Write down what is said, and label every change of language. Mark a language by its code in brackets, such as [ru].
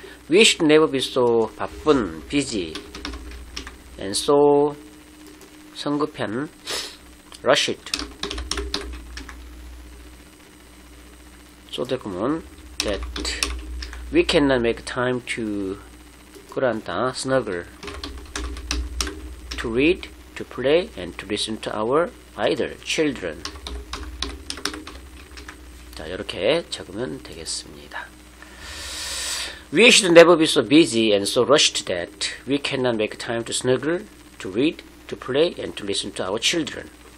[en] We should never be so [ko] 바쁜 [en] busy and so [ko] 성급한 [en] rushed [ko] 소대구문 [en] that we cannot make time to [ko] 끌어안다 [en] snuggle to read to play and to listen to our either children. [ko] 자, 이렇게 적으면 되겠습니다. [en] We should never be so busy and so rushed that we cannot make time to snuggle, to read, to play and to listen to our children.